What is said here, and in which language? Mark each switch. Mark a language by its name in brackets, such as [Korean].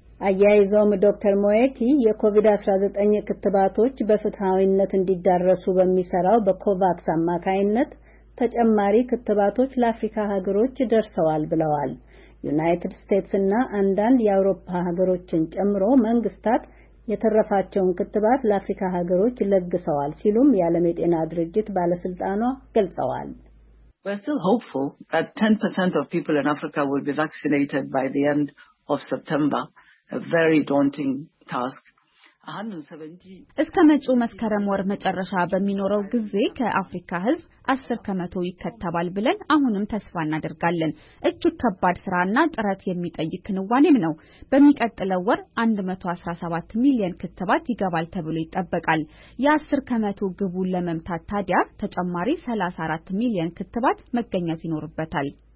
[Amharic] አያይዞም ዶክተር ሞኤቲ የኮቪድ-19 ክትባቶች በፍትሃዊነት እንዲዳረሱ በሚሰራው በኮቫክስ አማካይነት ተጨማሪ ክትባቶች ለአፍሪካ ሀገሮች ደርሰዋል ብለዋል። ዩናይትድ ስቴትስ እና አንዳንድ የአውሮፓ ሀገሮችን ጨምሮ መንግስታት የተረፋቸውን ክትባት ለአፍሪካ ሀገሮች ለግሰዋል ሲሉም የዓለም የጤና ድርጅት ባለስልጣኗ ገልጸዋል። [English] We're still hopeful that 10% of people in Africa will be vaccinated by the end of September. A very daunting task. [Amharic] እስከ መጪው መስከረም ወር መጨረሻ በሚኖረው ጊዜ ከአፍሪካ ህዝብ 10% ይከተባል ብለን አሁንም ተስፋ እናደርጋለን። እጅግ ከባድ ስራና ጥረት የሚጠይቅ ንዋኔም ነው። በሚቀጥለው ወር 117 ሚሊዮን ክትባት ይገባል ተብሎ ይጠበቃል። የ10% ግቡን ለመምታት ታዲያ ተጨማሪ 34 ሚሊዮን ክትባት መገኘት ይኖርበታል።